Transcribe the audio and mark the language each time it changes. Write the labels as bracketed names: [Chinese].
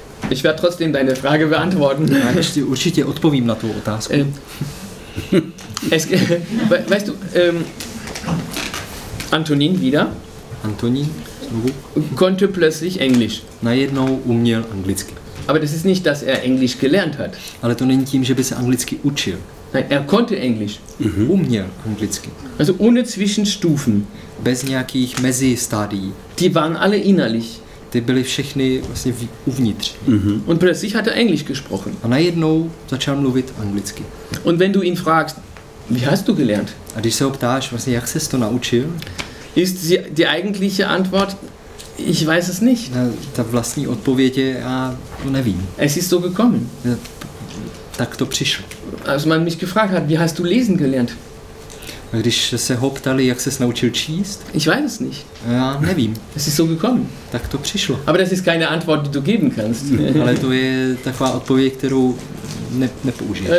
[German] Ich werde trotzdem deine Frage beantworten. [Czech] Já ještě určitě odpovím na tu otázku. [German] Weißt du, Antonin wieder? [Czech] Antonin znovu. [German] Konnte plötzlich Englisch. [Czech] Najednou uměl anglicky. [German] Aber das ist nicht, dass er Englisch gelernt hat. [Czech] Ale to není tím, že by se anglicky učil. [German] Nein, er konnte Englisch. [Czech] Mhm. Uměl anglicky. [German] Also ohne Zwischenstufen. [Czech] Bez nějakých mezistádií. [German] Die waren alle innerlich. [Czech] Ty byly všechny vlastně uvnitř. Mhm. [German] Und plötzlich hat er Englisch gesprochen. [Czech] A najednou začal mluvit anglicky. [German] Und wenn du ihn fragst, wie hast du gelernt? [Czech] A když se ho ptáš, vlastně, jak ses to naučil? [German] Ist die eigentliche Antwort, ich weiß es nicht. [Czech] Ta vlastní odpověď je, já to nevím. [German] Es ist so gekommen. [Czech] Tak to přišlo. [German] Als man mich gefragt hat, wie hast du lesen gelernt? [Czech] A když se ho ptali, jak ses naučil číst? [German] Ich weiß es nicht. [Czech] Já nevím. [German] Es ist so gekommen. [Czech] Tak to přišlo. [German] Aber das ist keine Antwort, die du geben kannst. [Czech] Ale to je taková odpověď, kterou nepoužiješ.